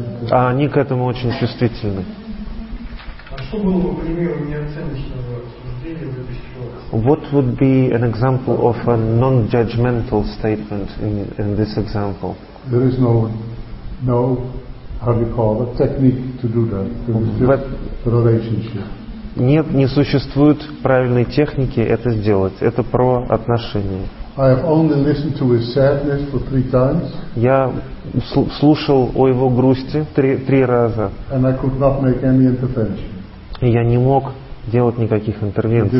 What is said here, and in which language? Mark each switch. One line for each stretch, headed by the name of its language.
Russian: А они к этому очень чувствительны. А что было бы примером неоценочного суждения?
English: What would be an example of a non-judgmental statement in this example? There is no, how do you call it, technique to do that. There is just a relationship.
Russian: Нет, не существует правильной техники это сделать. Это про отношения.
English: I have only listened to his sadness for 3 times.
Russian: Я слушал о его грусти 3 раза.
English: And I could not make any intervention.
Russian: И я не мог делать никаких интервенций.